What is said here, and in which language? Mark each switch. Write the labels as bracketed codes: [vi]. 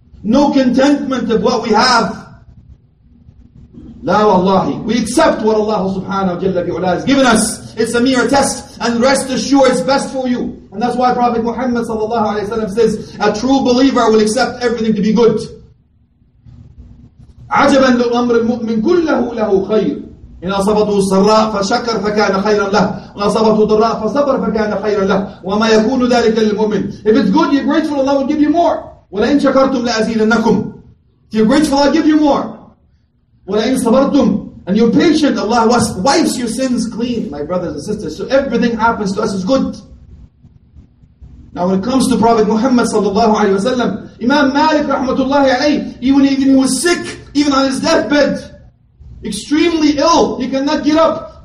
[en] No contentment of what we have. La wallahi. We accept what Allah subhanahu wa jalla fi ula has given us. It's a mere test. And rest assured it's best for you. And that's why Prophet Muhammad sallallahu alayhi wa sallam says, a true believer will accept everything to be good. [ar] عَجَبًا لِلْأَمْرِ الْمُؤْمِنِ كُلَّهُ لَهُ خَيْرٌ إِنْ أَصَبَتُهُ السَّرَّاءُ فَشَكَرْ فَكَانَ خَيْرًا لَهُ وَإِنْ أَصَبَتُهُ الضَّرَّاءُ فَصَبَرْ فَكَانَ خَيْرًا لَهُ وَمَا يَكُونُ ذَلِكَ لِلْمُؤْمِنِ [en] If it's good, you're grateful, Allah will give you more. [ar] وَلَئِنْ شَكَرْتُمْ لَأَزِيدَنَّكُمْ [en] If you're grateful, I'll give you more. [ar] وَلَئِنْ صَبَرْتُمْ [en] And you're patient, Allah wipes your sins clean, my brothers and sisters. So everything happens to us is good. Now, when it comes to Prophet Muhammad sallallahu alayhi wa sallam, Imam Malik rahmatullahi alayhi, even he was sick, even on his deathbed, extremely ill, he cannot get up.